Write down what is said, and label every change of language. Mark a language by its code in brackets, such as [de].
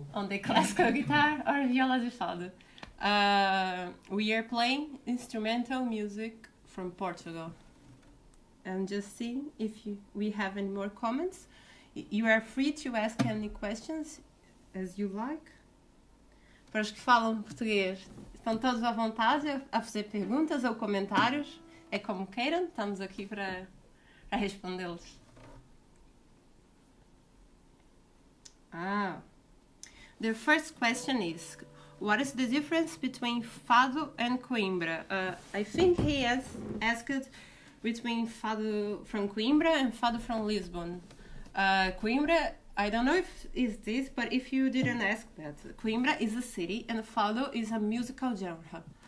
[en] On the classical guitar or viola de fado. We are playing instrumental music from Portugal. I'm just seeing if we have any more comments. You are free to ask any questions as you like. [pt] Para os que falam português, estão todos à vontade a fazer perguntas ou comentários. É como queiram, estamos aqui para respondê-los. Ah. [en] The first question is, what is the difference between fado and coimbra? I think he has asked between fado from Coimbra and fado from Lisbon. Coimbra, I don't know if is this, but if you didn't ask that, Coimbra is a city and fado is a musical genre.